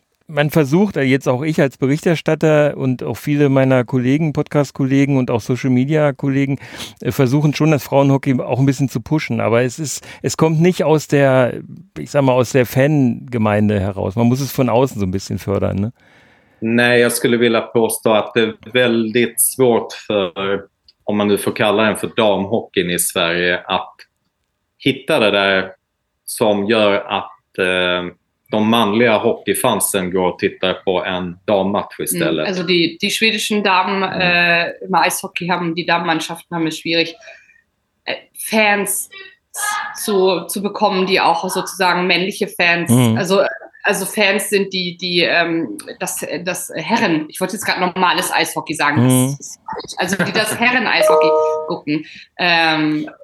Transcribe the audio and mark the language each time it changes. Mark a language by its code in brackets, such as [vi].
[de] Man versucht, jetzt auch ich als Berichterstatter und auch viele meiner Kollegen, Podcast-Kollegen und auch Social-Media-Kollegen versuchen schon, das Frauenhockey auch ein bisschen zu pushen. Aber es kommt nicht aus der, ich sag mal, aus der Fangemeinde heraus. Man muss es von außen so ein bisschen fördern, ne? [sv] Nej, jag skulle vilja påstå att det är väldigt svårt för, om man nu får kalla den för damhockeyn i Sverige, att hitta det där som gör att de manliga hockeyfansen går och tittar på en dammatch istället. [de] Alltså die schwedischen Damen im Eishockey haben die Damenmannschaften haben es schwierig Fans zu bekommen, die auch sozusagen männliche Fans, also Fans sind die das Herren, ich wollte jetzt gerade normales Eishockey sagen, die das Herren Eishockey gucken.